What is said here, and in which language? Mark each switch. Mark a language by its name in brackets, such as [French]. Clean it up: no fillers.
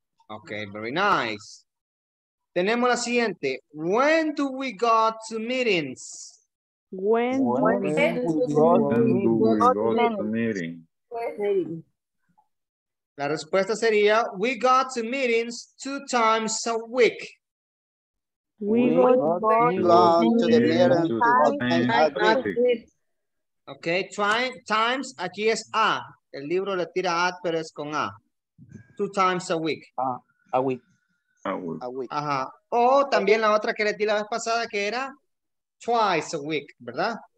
[English] Okay, very nice. [Spanish] Tenemos la siguiente. [English] When do we go to meetings? When do we go to meetings? [Spanish] La respuesta sería, [English] we go to meetings 2 times a week. We go to the meeting 2 times a week. [Spanish] Okay, [English] try, times, [Spanish] aquí es A. El libro le tira A, pero es con A. [English] 2 times a week. A week. [Spanish] Ajá. O también la otra que le di la vez pasada, que era [English] twice a week, [Spanish] ¿verdad?